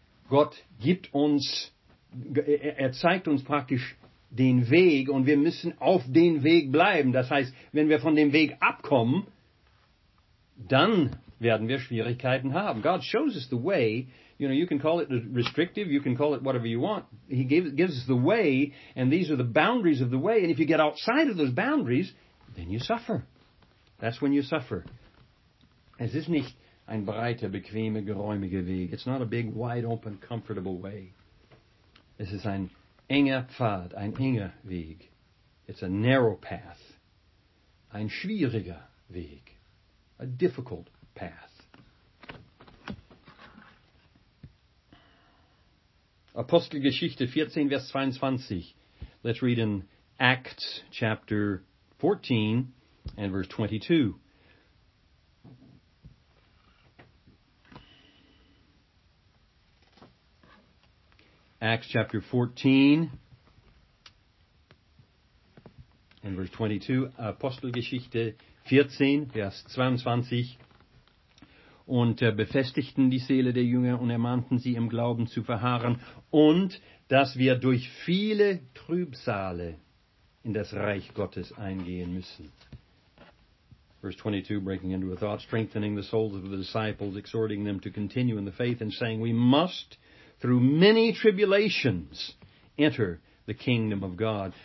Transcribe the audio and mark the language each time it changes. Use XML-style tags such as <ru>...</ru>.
<de>Gott gibt uns, zeigt uns praktisch den Weg und wir müssen auf den Weg bleiben. Das heißt, wenn wir von dem Weg abkommen, dann werden wir Schwierigkeiten haben.</de> <en>God shows us the way. You know, you can call it restrictive, you can call it whatever you want. He gives us the way, and these are the boundaries of the way. And if you get outside of those boundaries, then you suffer. That's when you suffer.</en> <de>Es ist nicht ein breiter, bequemer, geräumiger Weg.</de> <en>It's not a big, wide open, comfortable way.</en> <de>Es ist ein enger Pfad, ein enger Weg.</de> <en>It's a narrow path.</en> <de>Ein schwieriger,</de> <en>Weg, a difficult path.</en> <de>Apostelgeschichte 14, Vers 22.</de> <en>Let's read in Acts chapter 14 and verse 22. Acts chapter 14 and verse 22,</en> <de>Apostelgeschichte 14, Vers 22. Und befestigten die Seele der Jünger und ermahnten sie, im Glauben zu verharren, und dass wir durch viele Trübsale in das Reich Gottes eingehen müssen.</de> <en>Verse 22, breaking into a thought, strengthening the souls of the disciples, exhorting them to continue in the faith, and saying, we must through many tribulations enter the kingdom of God.</en>